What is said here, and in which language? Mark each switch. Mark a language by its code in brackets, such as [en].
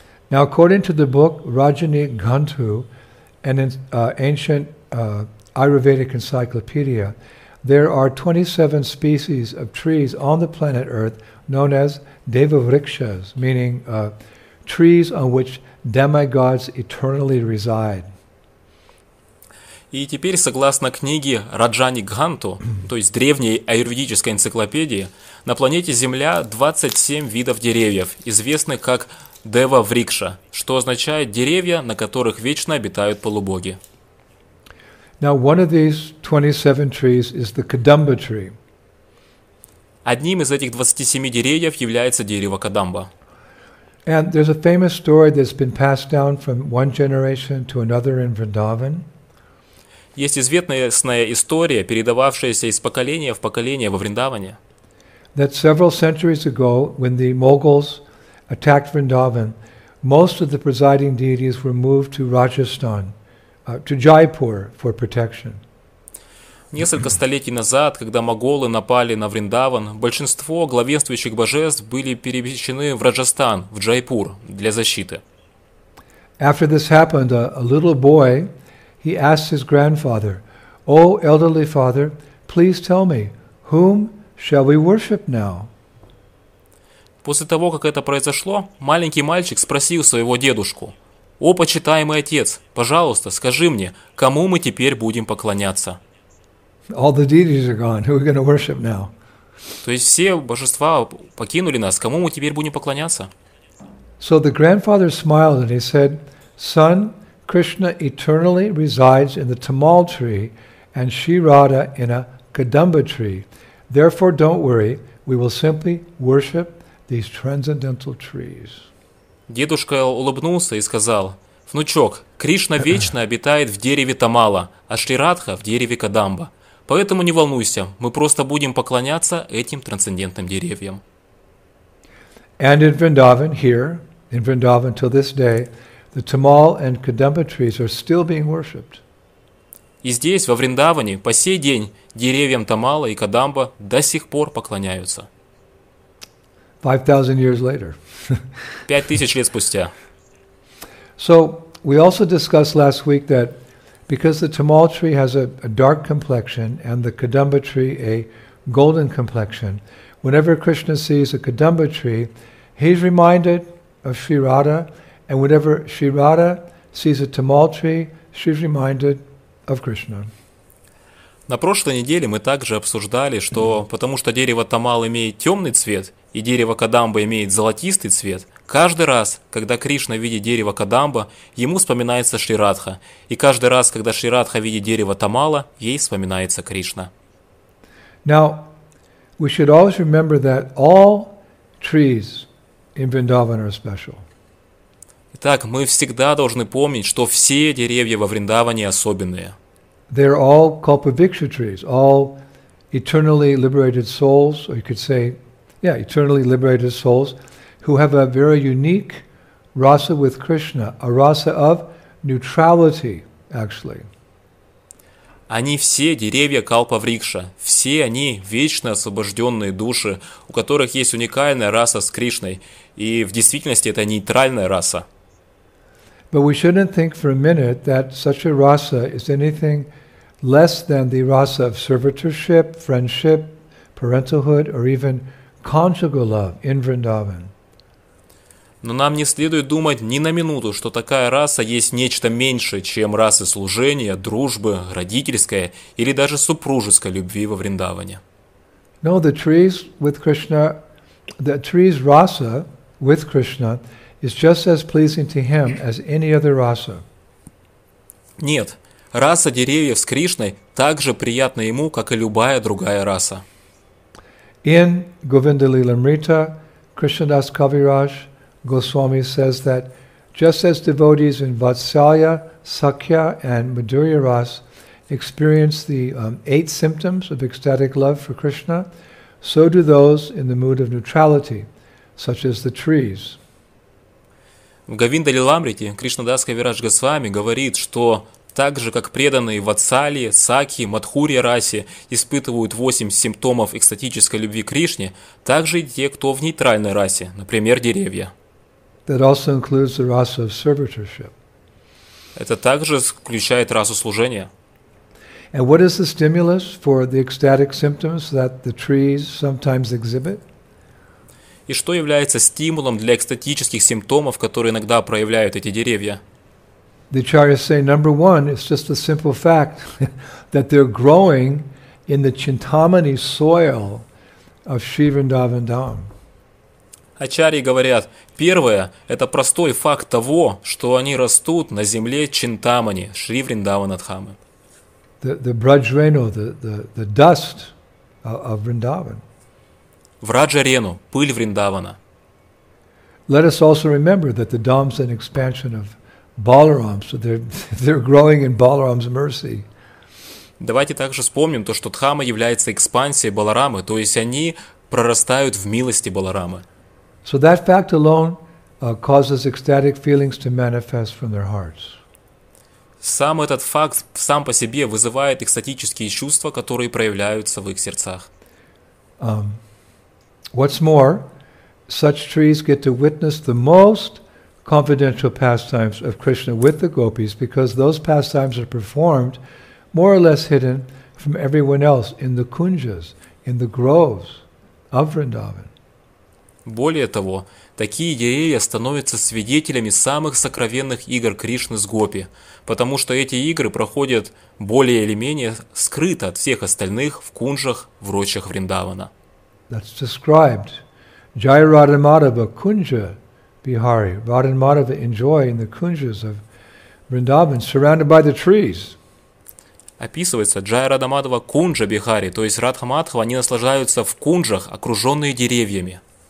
[en] Now, according to the book Rajani Gantu, an ancient Ayurvedic encyclopedia, there are 27 species of trees on the planet Earth known as Devavrikshas, meaning trees on which demigods eternally reside. [ru] И теперь, согласно книге Раджани Ганту, то есть древней аюрведической энциклопедии, на планете Земля 27 видов деревьев, известных как Дева-врикша, что означает деревья, на которых вечно обитают полубоги. [en] Now, one of these 27 trees is the Kadamba tree. [ru] Одним из этих 27 деревьев является дерево Кадамба. [en] And there's a famous story that's been passed down from one generation to another in Vrindavan. [ru] Есть известная история, передававшаяся из поколения в поколение во Вриндаване. [en] That several centuries ago, when the Mughals attacked Vrindavan, most of the presiding deities were moved to Rajasthan, to Jaipur for protection. [ru] Несколько столетий назад, когда моголы напали на Вриндаван, большинство главенствующих божеств были перемещены в Раджастан, в Джайпур, для защиты. [en] After this happened, a little boy, he asked his grandfather, "O elderly father, please tell me, whom shall we worship now?" [ru] После того, как это произошло, маленький мальчик спросил своего дедушку: "О, почитаемый отец, пожалуйста, скажи мне, кому мы теперь будем поклоняться?" [en] All the deities are gone. Who are we going to worship now? [ru] То есть все божества покинули нас. Кому мы теперь будем поклоняться? [en] So the grandfather smiled and he said, "Son, Krishna eternally resides in the Tamal tree and Sri Radha in a Kadamba tree. Therefore, don't worry, we will simply worship these transcendental trees." [ru] Дедушка улыбнулся и сказал: "Внучок, Кришна вечно обитает в дереве Тамала, а Шри Радха в дереве Кадамба. Поэтому не волнуйся, мы просто будем поклоняться этим трансцендентным деревьям." [en] And in Vrindavan, here, in Vrindavan till this day, the Tamal and Kadamba trees are still being worshipped. [ru] И здесь, во Вриндаване, по сей день деревьям Тамала и Кадамба до сих пор поклоняются. [en] 5,000 years later. [ru] 5,000 лет спустя. [en] So, we also discussed last week that because the Tamal tree has a dark complexion and the Kadamba tree a golden complexion, whenever Krishna sees a Kadamba tree, he's reminded of Sri Radha, and whenever Sri Radha sees a Tamal tree, she's reminded of Krishna. [ru] На прошлой неделе мы также обсуждали, что потому что дерево Тамал имеет темный цвет и дерево Кадамба имеет золотистый цвет, каждый раз, когда Кришна видит дерево Кадамба, ему вспоминается Шри Радха, и каждый раз, когда Шри Радха видит дерево Тамала, ей вспоминается Кришна. [en] Now, we should always remember that all trees in Vrindavan are special. [ru] Итак, мы всегда должны помнить, что все деревья во Вриндаване особенные. [en] They are all Kalpavriksha trees, all eternally liberated souls, or you could say, yeah, eternally liberated souls, who have a very unique rasa with Krishna, a rasa of neutrality, actually. [ru] Они все деревья Калпаврикша, все они вечно освобожденные души, у которых есть уникальная раса с Кришной, и в действительности это нейтральная раса. [en] But we shouldn't think for a minute that such a rasa is anything less than the rasa of servitorship, friendship, parentalhood, or even conjugal love in Vrindavan. [ru] Но нам не следует думать ни на минуту, что такая раса есть нечто меньшее, чем расы служения, дружбы, родительской или даже супружеской любви во Вриндаване. [en] No, the trees rasa with Krishna is just as pleasing to him as any other rasa. [ru] Нет, раса деревьев с Кришной так же приятна ему, как и любая другая раса. [en] In Govinda Lilamrita, Krishnadas Kaviraj Goswami says that just as devotees in Vatsalya, Sakya, and Madhurya Ras experience the eight symptoms of ecstatic love for Krishna, so do those in the mood of neutrality, such as the trees. [ru] В Говинда Лиламрите Кришнадас Кавирадж Госвами говорит, что так же, как преданные Ватсали, Саки, Мадхурья Расе испытывают восемь симптомов экстатической любви к Кришне, так же и те, кто в нейтральной расе, например, деревья. [en] That also includes the rasa of servitorship. [ru] Это также включает расу служения. [en] And what is the stimulus for the ecstatic symptoms that the trees sometimes exhibit? [ru] И что является стимулом для экстатических симптомов, которые иногда проявляют эти деревья? [en] The acharyas say number one is just the simple fact that they're growing in the chintamani soil of Sri Vrindavan Dham. [ru] Ачарьи говорят, первое – это простой факт того, что они растут на земле Чинтамани, Шри Вриндавана Дхамы. [en] The Браджарену, the dust of Vrindavan. [ru] Враджарену, пыль Вриндавана. [en] Let us also remember that the Dham is an expansion of Balaram, so they're growing in Balaram's mercy. [ru] Давайте также вспомним то, что Дхама является экспансией Баларамы, то есть они прорастают в милости Баларамы. [en] So that fact alone causes ecstatic feelings to manifest from their hearts. [ru] Сам этот факт сам по себе вызывает экстатические чувства, которые проявляются в их сердцах. [en] What's more, such trees get to witness the most confidential pastimes of Krishna with the gopis because those pastimes are performed more or less hidden from everyone else in the kunjas, in the groves of Vrindavan. [ru] Более того, такие деревья становятся свидетелями самых сокровенных игр Кришны с гопи, потому что эти игры проходят более или менее скрыто от всех остальных в кунжах, в рощах Вриндавана. [en] That's described. Jai Radha Madhava Kunja Bihari. Radha Madhava enjoy in the kunjas of Vrindavan, surrounded by the trees. [ru] Описывается Jai Radha Madhava Kunja Bihari, то есть Радха Мадхава, они наслаждаются в кунжах, окруженные деревьями.